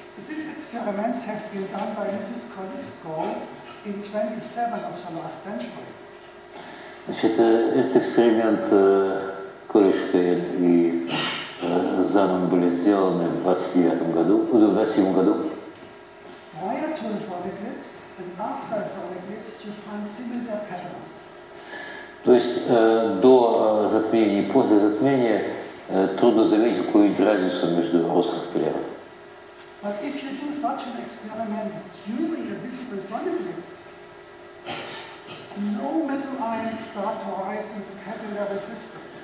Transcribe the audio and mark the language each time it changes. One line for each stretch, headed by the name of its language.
English: These experiments have been done by Mrs. Colisco in 27 of the last century.
Russian: Значит, этот эксперимент Колешко и Заном были сделаны в 29 году, в 27 году.
English: Prior to the sun eclipse and after the sun eclipse, you find similar patterns.
Russian: То есть до затмения и после затмения трудно заметить какую-нибудь разницу между ростом капилляров.
English: But if you do such an experiment during a visible sun eclipse, no metal ions start to rise in the capillary system.